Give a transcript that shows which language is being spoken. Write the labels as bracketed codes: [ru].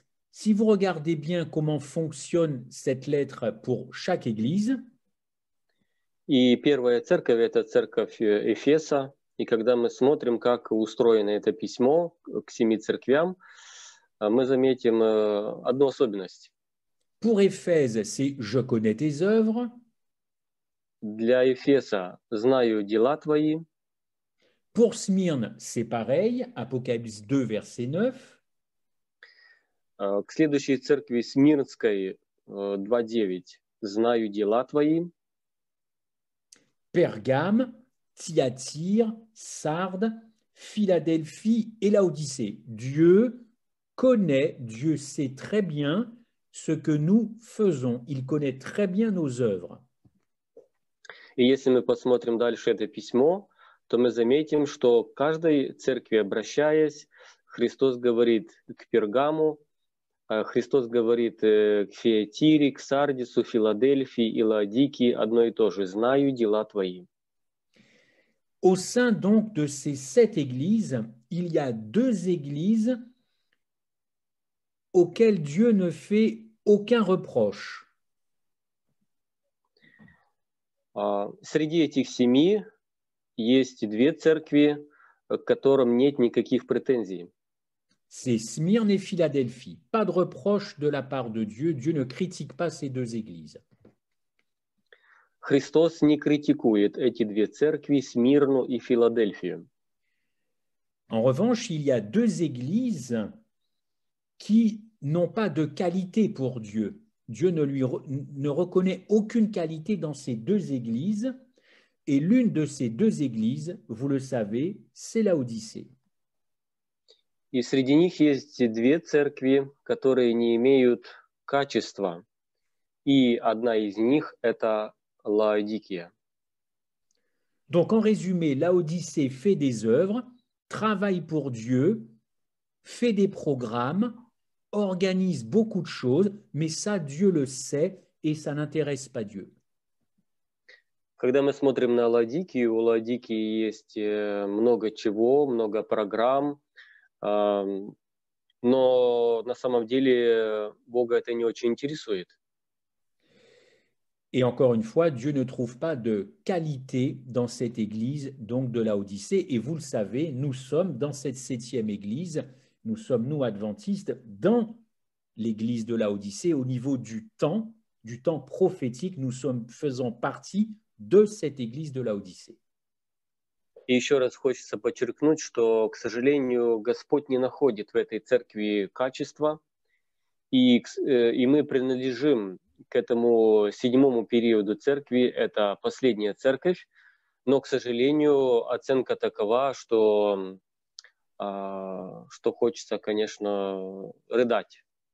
[fr] Si vous regardez bien comment fonctionne cette lettre pour chaque église. Et la première [ru] церковь, [fr] c'est la [ru] церковь [fr] Ефеса. Et quand nous [ru] смотрим, как устроено это письмо к семи церквям, мы заметим одну особенность. [fr] Pour Éphèse, c'est « Je connais tes œuvres ». [ru] Для Ефеса знаю дела твои. [fr] Pour Smyrne, c'est pareil, Apocalypse 2, verset 9. [ru] К следующей церкви Смирнской 2:9 знаю дела твои. [fr] Pergame, Thyatire, Sardes, Philadelphie et Laodicée. Dieu connaît, Dieu sait très bien ce que nous faisons. Il connaît très bien nos œuvres. [ru] И если мы посмотрим дальше это письмо, то мы заметим, что к каждой церкви обращаясь, Христос говорит к Пергаму, Христос говорит к Фиатире, к Сардису, Филадельфии и Лаодике одно и то же: «Знаю дела твои». [fr] Au sein donc de ces sept églises, il y a deux églises auxquelles Dieu ne fait aucun reproche. [ru] Среди этих семи есть две церкви, к которым нет никаких претензий. [fr] C'est Smyrne et Philadelphie. Pas de reproche de la part de Dieu. Dieu ne critique pas ces deux églises. [ru] Христос не критикует эти две церкви, Смирну и Филадельфию. [fr] En revanche, il y a deux églises qui n'ont pas de qualité pour Dieu. Dieu ne reconnaît aucune qualité dans ces deux églises. Et l'une de ces deux églises, vous le savez, c'est la Odyssée. [ru] И среди них есть две церкви, которые не имеют качества. И одна из них – это Лаодикия. [fr] Donc, en résumé, Laodicée fait des œuvres, travaille pour Dieu, fait des programmes, organise beaucoup de choses, mais ça, Dieu le sait et ça n'intéresse pas Dieu. [ru] Когда мы смотрим на Лаодикию, у Лаодикии есть много чего, много программ, но на самом деле Бога это не очень интересует. [fr] Et encore une fois, Dieu ne trouve pas de qualité dans cette église, donc de Laodicée. Et vous le savez, nous sommes dans cette septième église, nous sommes, nous, adventistes, dans l'église de Laodicée, au niveau du temps prophétique, nous sommes faisant partie de cette église de Laodicée. [ru] И еще раз хочется подчеркнуть, что, к сожалению, Господь не находит в этой церкви качества, и мы принадлежим к этому седьмому периоду церкви, это последняя церковь, но, к сожалению, оценка такова, что, что хочется, конечно, рыдать.